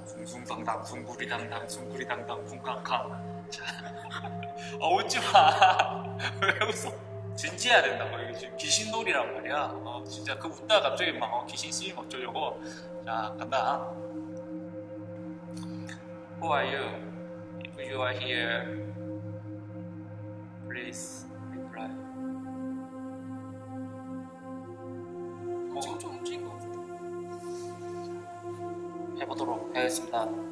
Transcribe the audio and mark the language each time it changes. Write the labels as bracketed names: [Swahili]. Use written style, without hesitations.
[Korean] 숭숭당당 숭구리당당 숭구리당당 쿵카카. 자, 웃지마. 왜 웃어? 진지해야 된다고. 이게 지금 귀신놀이란 말이야. 진짜 그 웃다가 갑자기 막 귀신 씨 어쩌려고. 자, 간다. [English] Who are you? If you are here, please reply. [Korean] 지금 좀 움직인 것 같은데. 해보도록 하겠습니다.